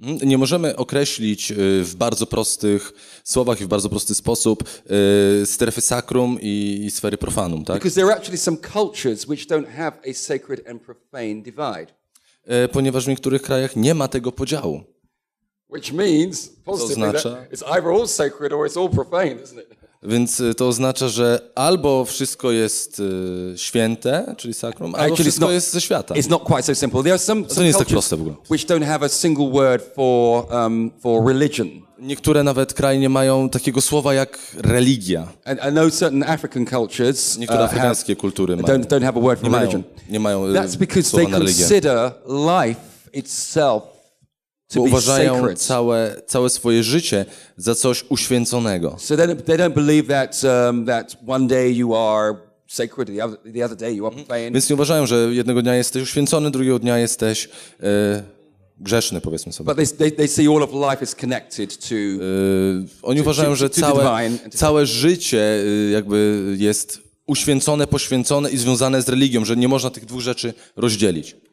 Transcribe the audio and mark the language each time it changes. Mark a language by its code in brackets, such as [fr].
[pl] Nie możemy określić w bardzo prostych słowach i w bardzo prosty sposób strefy sakrum i sfery profanum, tak? [en] Because there are actually some cultures which don't have a sacred and profane divide. [pl] Ponieważ w niektórych krajach nie ma tego podziału. [en] Which means, positively, [pl] oznacza, [en] that it's either all sacred or it's all profane, isn't it? [pl] Więc to oznacza, że albo wszystko jest święte, czyli sakrum, albo [en] actually, [pl] wszystko jest ze świata. [en] It's not quite so simple. There are some [pl] to nie jest tak proste w ogóle. [en] Which don't have a single word for religion. [pl] Niektóre nawet kraje nie mają takiego słowa jak religia. [en] And I know certain African cultures, [pl] niektóre afrykańskie kultury mają, [en] don't have a word for [pl] nie [en] religion. [pl] Nie mają słowa na religię. [en] That's because they consider life itself to [pl] bo uważają całe swoje życie za coś uświęconego. [en] So they don't believe that that one day you are sacred, the other day you are profane. [pl] Więc nie uważają, że jednego dnia jesteś uświęcony, drugiego dnia jesteś grzeszny, powiedzmy sobie. [en] But they see all of life is connected to. [pl] Oni uważają, że całe życie jakby jest uświęcone, poświęcone i związane z religią, że nie można tych dwóch rzeczy rozdzielić.